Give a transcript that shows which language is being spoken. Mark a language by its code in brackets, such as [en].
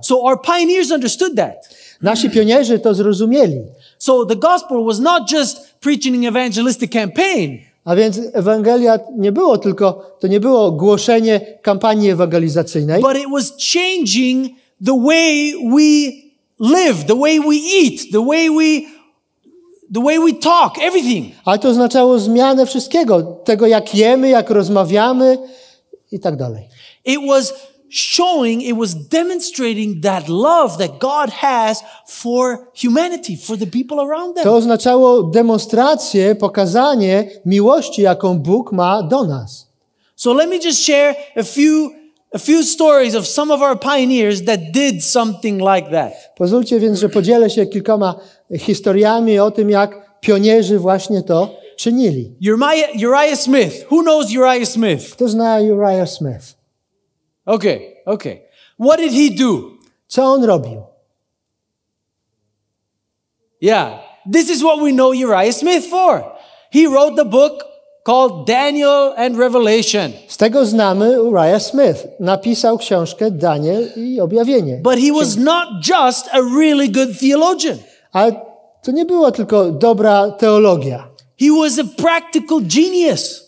[en] So our pioneers understood that. [pl] Nasi pionierzy to zrozumieli. [en] So the gospel was not just preaching an evangelistic campaign. [pl] A więc Ewangelia nie było tylko, to nie było głoszenie kampanii ewangelizacyjnej. [en] But it was changing the way we live, the way we eat, the way we talk, everything. [pl] Ale to oznaczało zmianę wszystkiego, tego jak jemy, jak rozmawiamy i tak dalej. [en] It was showing, it was demonstrating that love that God has for humanity, for the people around them. [pl] To oznaczało demonstrację, pokazanie miłości, jaką Bóg ma do nas. [en] So let me just share a few stories of some of our pioneers that did something like that. [pl] Pozwólcie więc, że podzielę się kilkoma historiami o tym, jak pionierzy właśnie to czynili. [en] Uriah Smith. Who knows Uriah Smith? [pl] Kto zna Uriah Smith? [en] Okay. What did he do? [pl] Co on robił? [en] Yeah, this is what we know Uriah Smith for. He wrote the book called Daniel and Revelation. [pl] Z tego znamy Uriah Smith. Napisał książkę Daniel i Objawienie. [en] But he was not just a really good theologian. [pl] Ale to nie była tylko dobra teologia. [en] He was a practical genius.